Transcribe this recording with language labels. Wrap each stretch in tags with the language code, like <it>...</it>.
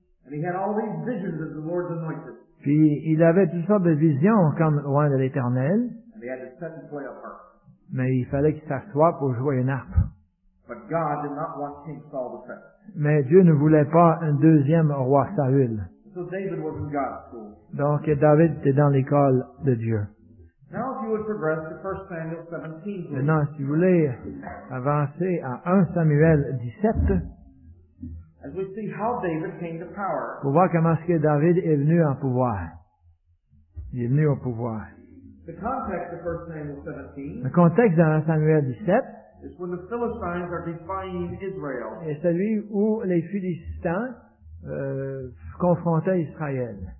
<en>And he had all these visions as the Lord's anointed.</en> <fr>Puis il avait toutes sortes de visions comme loin de l'Éternel.</fr> <en>And he had to sit and play a harp.</en> <fr>Mais il fallait qu'il s'assoie pour jouer une harpe.</fr> <en>But God did not want King Saul to set.</en> <fr>Mais Dieu ne voulait pas un deuxième roi Saül.</fr> <en>So David was in God's school.</en> <fr>Donc David était dans l'école de Dieu.</fr> <en>Now if you would progress to 1 Samuel 17, please.</en> <fr>Maintenant, si vous voulez avancer à 1 Samuel 17,</fr> <en>as we see how David came to power.</en> <fr>Pour voir comment est-ce que David est venu en pouvoir. Il est venu au pouvoir.</fr> <en>The context of 1 Samuel 17,</en> <fr>le contexte de 1 Samuel 17,</fr> <en>is when the Philistines are defying Israel.</en> <fr>Est celui où les Philistins confrontait Israël.</fr>